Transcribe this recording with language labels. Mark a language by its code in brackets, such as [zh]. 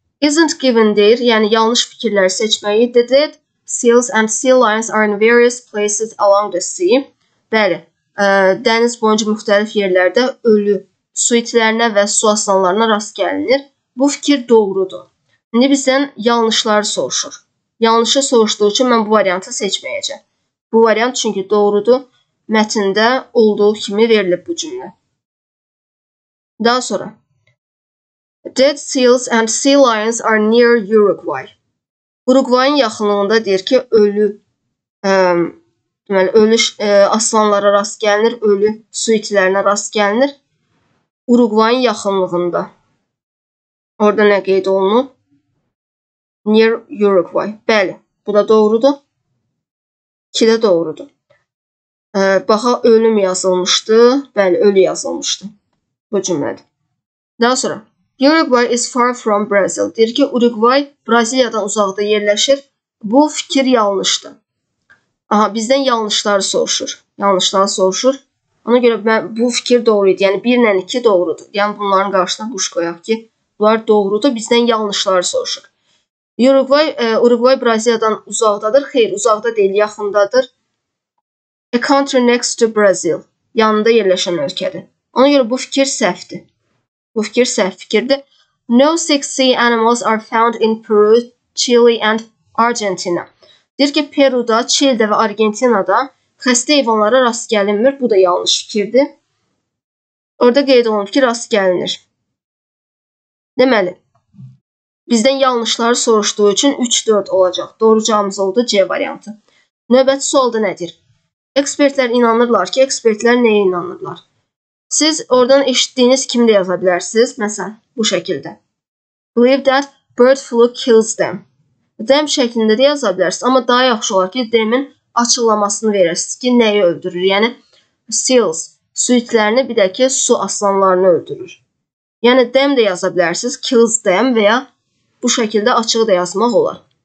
[en] Isn't given [az] deyir, yəni yanlış fikirlər seçməyi. [en] The dead seals and sea lions are in various places along the sea. [az] Bəli, dəniz boyunca müxtəlif yerlərdə ölü su itlərinə və su aslanlarına rast gəlinir. Bu fikir doğrudur. İndi bizdən yanlışları soruşur. Yanlışı soruşduğu üçün mən bu variantı seçməyəcəm. Bu variant çünki doğrudur. Mətində olduğu kimi verilib bu cümlə. Daha sonra. [en] Dead seals and sea lions are near Uruguay. [az] Uruguay'ın yaxınlığındadır ki, ölü, deməli, ölü aslanlara rast gəlinir, ölü su itlərinə rast gəlinir. Uruguay'ın yaxınlığında. Orada nə qeyd olunub? [en] Near Uruguay. [az] Bəli, bu da doğrudur. İki də doğrudur. Baxa, ölüm yazılmışdı. Bəli, ölü yazılmışdı bu cümlədə. Daha sonra, [en] Uruguay is far from Brazil. [az] Deyir ki, Uruguay Braziliyadan uzaqda yerləşir. Bu fikir yanlışdır. Aha, bizdən yanlışları soruşur. Yanlışları soruşur. Ona görə mən, bu fikir doğruydu. Yəni, bir ilə iki doğrudur. Yəni, bunların qarşısına quş qoyaq ki, bunlar doğrudur, bizdən yanlışları soruşur. Uruguay, Uruguay Braziliyadan uzaqdadır. Xeyr, uzaqda deyil, yaxındadır. [en] A country next to Brazil. [az] Yanında yerləşən ölkədir. Ona görə bu fikir səhvdir. Bu fikir səhv fikirdir. [en] No six sea animals are found in Peru, Chile and Argentina. [az] Deyir ki, Peru'da, Chile'də və Argentina'da xəstə heyvanlara rast gəlinmir. Bu da yanlış fikirdir. Orada qeyd olunub ki, rast gəlinir. Deməli, bizdən yanlışları soruşduğu üçün 3-4 olacaq. Doğru cavabımız oldu C variantı. Növbəti sualda nədir? Ekspertlər inanırlar ki, ekspertlər nəyə inanırlar? Siz oradan eşitdiyiniz kimi də yaza bilərsiniz, məsələn, bu şəkildə. [en] Believe that bird flu kills them. [az] Them şəklində də yaza bilərsiniz, amma daha yaxşı olar ki, demin açıqlamasını verirsiniz ki, nəyi öldürür? Yəni, seals, su itlərini, bir də ki, su aslanlarını öldürür. Yəni, them də yaza bilərsiniz, [en] kills them [az] və ya bu şəkildə açıq da yazmaq olar.